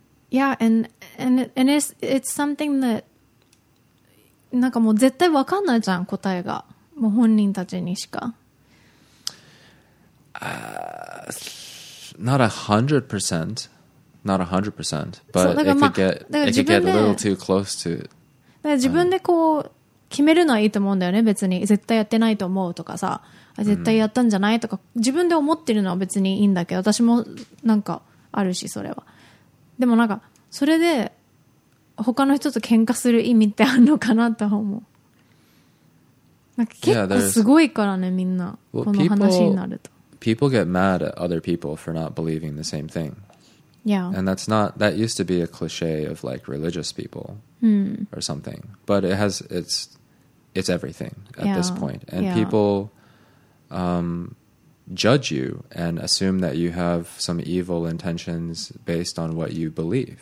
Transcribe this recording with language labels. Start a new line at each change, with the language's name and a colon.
English: Yeah, and it's something that
Japanese: なんかもう絶対わかんないじゃん、答えが。もう本人たちにしか。
English: Not 100%. not 100%, but if it get a little too close to it.
Japanese: 自分でこう決めるのはいいと思うんだよね。別に絶対やってないと思うとかさ、絶対やったんじゃないとか、自分で思ってるのは別にいいんだけど、私もなんかあるし、それは。でもなんかそれで他の人と喧嘩する意味ってあるのかなと思う。なんか結構すごいからね、みんなこの話になると。
English: People get mad at other people for not believing the same thing. Yeah. And that's not, that used to be a cliche of like religious people、 mm. or something. But it has, it's everything at、yeah. this point. And、yeah. people、judge you and assume that you have some evil intentions based on what you believe.、